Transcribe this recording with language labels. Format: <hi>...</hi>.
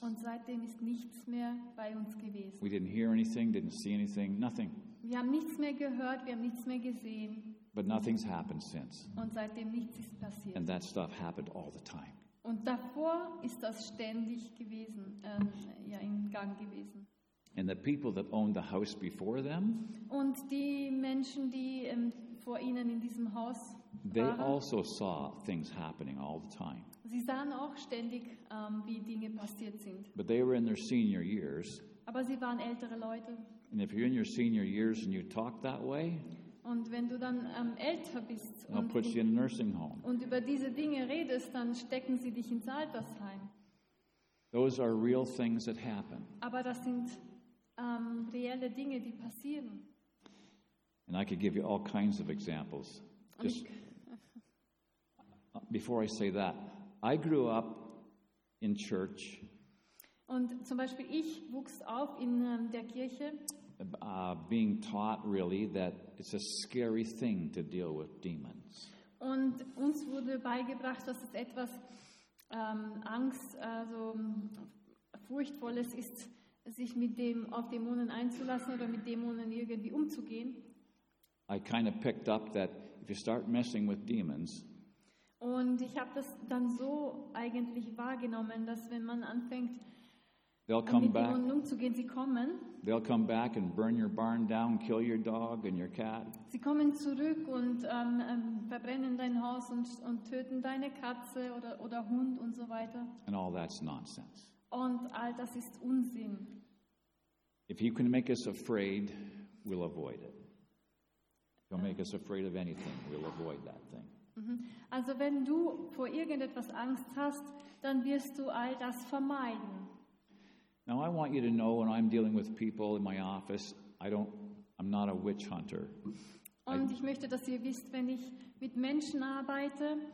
<de>Und seitdem ist nichts mehr bei uns gewesen.</de> <en>We didn't hear anything, didn't see anything, nothing.</en> <de>Wir haben nichts mehr gehört, wir haben nichts mehr gesehen.</de> <en>But nothing's happened since.</en> <de>Und seitdem nichts ist passiert.</de> <en>And that stuff happened all the time.</en> <de>Und davor ist das ständig gewesen, in Gang gewesen.</de> <en>And the people that owned the house before them,</en> <de>und die Menschen, die vor ihnen in diesem Haus waren,</de> <en>they also saw things happening all the time.</en> <de>Sie sahen auch ständig, wie Dinge passiert sind.</de> <en>But they were in their senior years.</en> <de>Aber sie waren ältere Leute.</de> <en>And if you're in your senior years and you talk that way,</en> <de>und wenn du dann älter bist und über diese Dinge redest, dann stecken sie dich ins Altersheim.</de> <en>Those are real things that happen.</en> <de>Aber das sind reelle Dinge, die passieren.</de> <en>And I could give you all kinds of examples. Just before I say that, I grew up in church.</en> <de>Und zum Beispiel ich wuchs auf in der Kirche.</de> <en>Being taught really that it's a scary thing to deal with demons.</en> <de>Und uns wurde beigebracht, dass es etwas Angst, also Furchtvolles ist, sich mit dem auf Dämonen einzulassen oder mit Dämonen irgendwie umzugehen.</de> <en>I kind of picked up that if you start messing with demons.</en> <de>Und ich habe das dann so eigentlich wahrgenommen, dass wenn man anfängt,</de> <en>they'll come back.</en> <de>Umzugehen, sie kommen.</de> <en>They'll come back and burn your barn down, kill your dog and your cat.</en> <de>Sie kommen zurück und verbrennen dein Haus und töten deine Katze oder Hund und so weiter.</de> <en>And all that's nonsense.</en> <de>Und all das ist Unsinn.</de> <en>If you can make us afraid, we'll avoid it. If you'll make us afraid of anything, we'll avoid that thing.</en> <de>Also wenn du vor irgendetwas Angst hast, dann wirst du all das vermeiden.</de> <en>Now I want you to know when I'm dealing with people in my office, I'm not a witch hunter.</en> <de>Und ich möchte, dass ihr wisst, wenn ich mit Menschen arbeite,</de>